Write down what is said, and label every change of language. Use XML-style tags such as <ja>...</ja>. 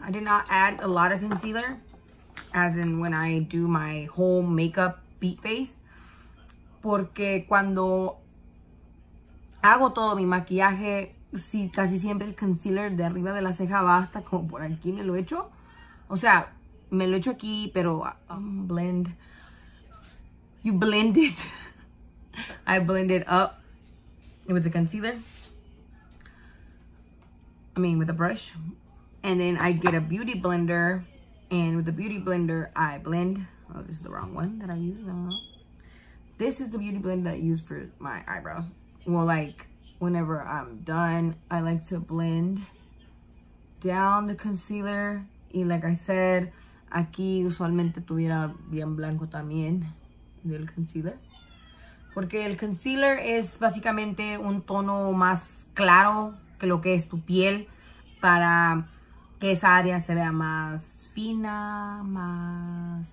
<en>I did not add a lot of concealer as in when I do my whole makeup beat face.</en> <es>Porque cuando hago todo mi maquillaje, si casi siempre el concealer de arriba de la ceja va hasta como por aquí, me lo echo. O sea, me lo echo aquí, pero blend.</es> <en>You blend it. I blend it up with a concealer. I mean, with a brush. And then I get a beauty blender. And with the beauty blender, I blend. Oh, this is the wrong one that I use. No. This is the beauty blender that I use for my eyebrows. Well, like, whenever I'm done, I like to blend down the concealer.</en> <es>Y</es> <en>like I said,</en> <es>aquí usualmente tuviera bien blanco también. Del concealer, porque el concealer es básicamente un tono más claro que lo que es tu piel para que esa área se vea más fina, más.</es>